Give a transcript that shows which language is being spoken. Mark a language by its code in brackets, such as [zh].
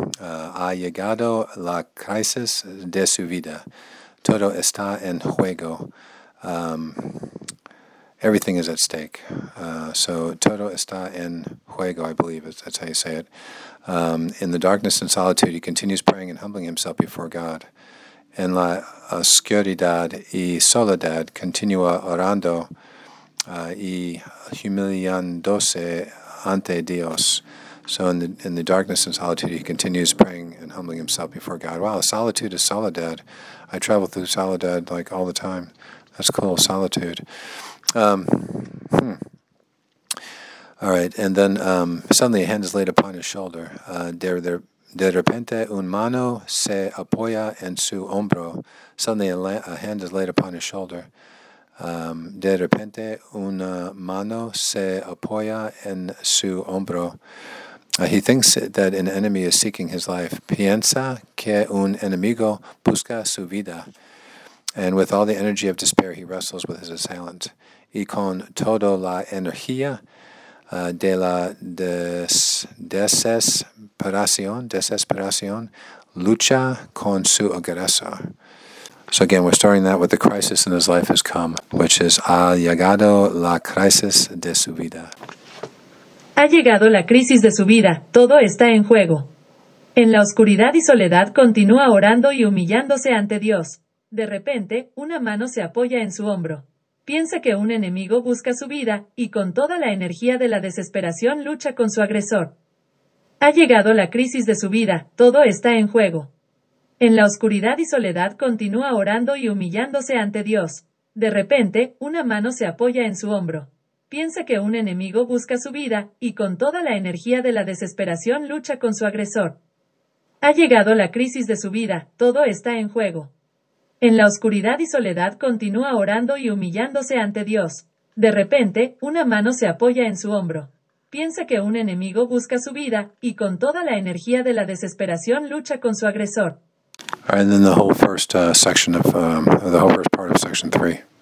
[es] Ha llegado la crisis de su vida. Todo está en juego. [en] Everything is at stake. So [es] todo está en juego, [en] I believe, that's how you say it. In the darkness and solitude, he continues praying and humbling himself before God. [es] En la oscuridad y soledad, continúa orando y humillándose ante Dios. [en] So in the darkness and solitude, he continues praying and humbling himself before God. Wow, solitude is soledad. I travel through soledad like all the time. That's cool, solitude. All right, and then suddenly a hand is laid upon his shoulder. [es] De repente, un mano se apoya en su hombro. [en] Suddenly, a hand is laid upon his shoulder. [es] De repente, una mano se apoya en su hombro. [en] He thinks that an enemy is seeking his life. [es] Piensa que un enemigo busca su vida. [en] And with all the energy of despair, he wrestles with his assailant. [es] Y con toda la energía de la desesperación, lucha con su agresor. [en] So again, we're starting that with the crisis in his life has come, which is [es] ha llegado la crisis de su vida. Ha llegado la crisis de su vida. Todo está en juego. En la oscuridad y soledad continúa orando y humillándose ante Dios. De repente, una mano se apoya en su hombro. Piensa que un enemigo busca su vida y con toda la energía de la desesperación lucha con su agresor. Ha llegado la crisis de su vida, todo está en juego. En la oscuridad y soledad continúa orando y humillándose ante Dios. De repente, una mano se apoya en su hombro. piensa que un enemigo busca su vida y con toda la energía de la desesperación lucha con su agresor. Ha llegado la crisis de su vida, todo está en juego. En la oscuridad y soledad continúa orando y humillándose ante Dios. De repente, una mano se apoya en su hombro. Piensa que un enemigo busca su vida y con toda la energía de la desesperación lucha con su agresor. [en] All right, and then the whole first section of the whole first part of section 3.